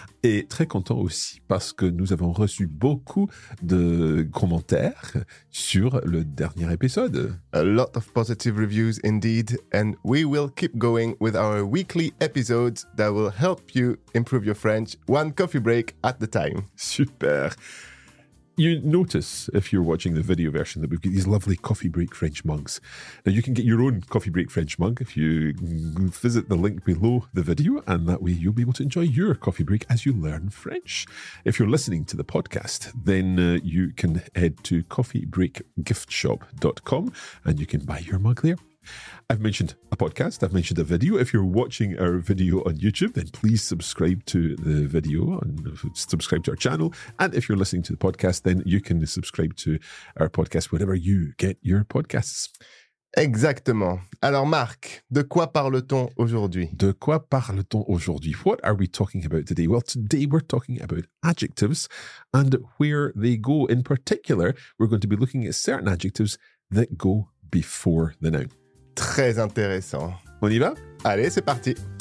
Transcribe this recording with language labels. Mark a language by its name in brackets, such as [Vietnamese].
[French] Et très content aussi parce que nous avons reçu beaucoup de commentaires sur le dernier épisode. [English] A lot of positive reviews indeed. And we will keep going with our weekly episodes that will help you improve your French one coffee break at a time. Super. You notice, if you're watching the video version, that we've got these lovely Coffee Break French mugs. Now, you can get your own Coffee Break French mug if you visit the link below the video, and that way you'll be able to enjoy your coffee break as you learn French. If you're listening to the podcast, then you can head to coffeebreakgiftshop.com and you can buy your mug there. I've mentioned a podcast, I've mentioned a video. If you're watching our video on YouTube, then please subscribe to the video and subscribe to our channel. And if you're listening to the podcast, then you can subscribe to our podcast wherever you get your podcasts. [French] Exactement. Alors Marc, de quoi parle-t-on aujourd'hui? De quoi parle-t-on aujourd'hui? [English] What are we talking about today? Well, today we're talking about adjectives and where they go. In particular, we're going to be looking at certain adjectives that go before the noun. [French] Très intéressant. On y va? Allez, c'est parti.